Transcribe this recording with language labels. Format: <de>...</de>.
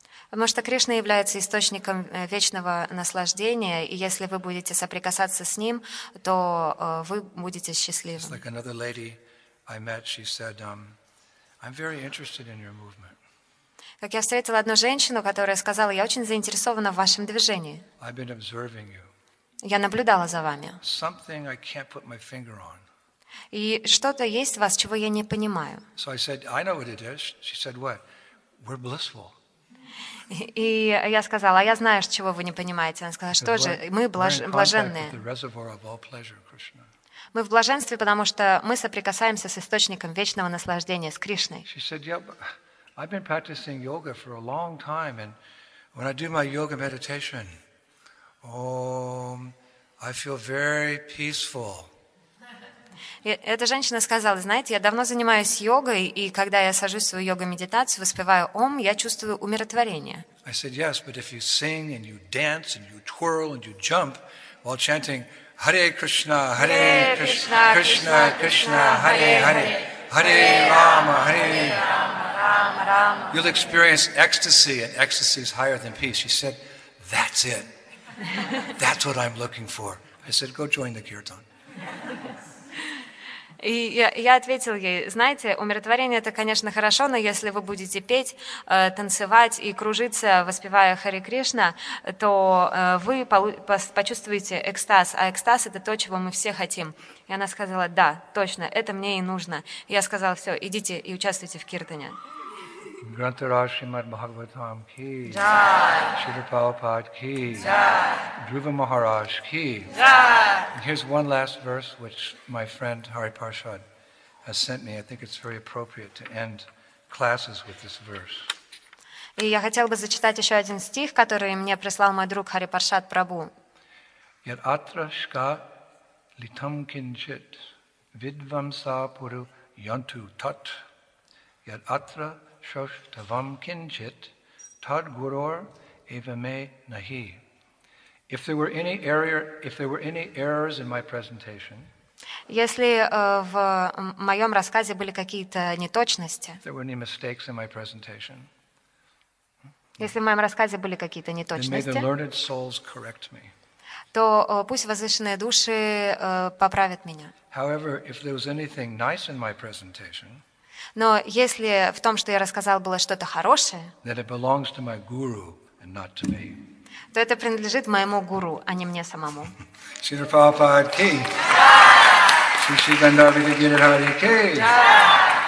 <ru>Потому что Кришна является источником вечного наслаждения, и если вы будете соприкасаться с Ним, то вы будете счастливы.</ru> <en>It's like another lady I met, she said, I'm very interested in your movement.</en> <ru>Как я встретила одну женщину, которая сказала, я очень заинтересована в вашем движении.</ru> <en>I've been observing you.</en> <ru>Я наблюдала за вами.</ru> <en>Something I can't put my finger on.</en> <ru>И что-то есть в вас, чего я не понимаю.</ru> <en>So I said, I know what it is. She said, what? We're blissful.</en> <ru>И я сказала, а я знаю, чего вы не понимаете. Она сказала, что же, мы блаженные.</ru> <en>We're in contact with the reservoir of all pleasure, Krishna.</en> <ru>Мы в блаженстве, потому что мы соприкасаемся с источником вечного наслаждения, с Кришной.</ru> <en>She said, yeah, I've been practicing yoga for a long time, and when I do my yoga meditation, I feel very peaceful.</en> <ru>Эта женщина сказала, знаете, я давно занимаюсь йогой, и когда я сажусь в свою йога-медитацию, воспеваю ом, я чувствую умиротворение.</ru> <en>I said, yes, but if you sing and you dance and you twirl and you jump while chanting Hare Krishna, Krishna, Krishna, Hare Hare, Hare Rama, Hare Rama, Rama Rama, you'll experience ecstasy, and ecstasy is higher than peace. She said, that's it. That's what I'm looking for. I said, go join the kirtan.</en> <ru>И я ответил ей, знаете, умиротворение это, конечно, хорошо, но если вы будете петь, танцевать и кружиться, воспевая Хари Кришна, то вы почувствуете экстаз, а экстаз это то, чего мы все хотим. И она сказала, да, точно, это мне и нужно. Я сказал, все, идите и участвуйте в киртане. Грантараш Шримад Бхагаватам Ки. Джай. Шрила Прабхупад Ки. Джай. Друва Махарадж Ки. Джай.</ru> <en>Here's one last verse which my friend Hari Parshad has sent me. I think it's very appropriate to end classes with this verse.</en> <ru>И я хотел бы зачитать еще один стих, который мне прислал мой друг Хари Паршад Прабу.</ru> <sa>Яд атрашка литам кинчит видвамса пуру янту тат. Яд атра Shoshtavam kinchit tad guror eva me nahi.</sa> <en>If there were any errors in my presentation,</en> <ru>если в моем рассказе были какие-то неточности,</ru> <en>if there were any mistakes in my presentation,</en> <ru>если в моем рассказе были какие-то неточности,</ru> <en>then may the learned souls correct me.</en> <ru>то пусть возвышенные души поправят меня.</ru> <en>However, if there was anything nice in my presentation,</en> <ru>но если в том, что я рассказал, было что-то хорошее,</ru> <en>then it belongs to my guru and not to me.</en> <ru>То это принадлежит моему гуру, а не мне самому. Шри Прабхупада ки. Шри Шри Гандхарви Гирихари ки.</ru>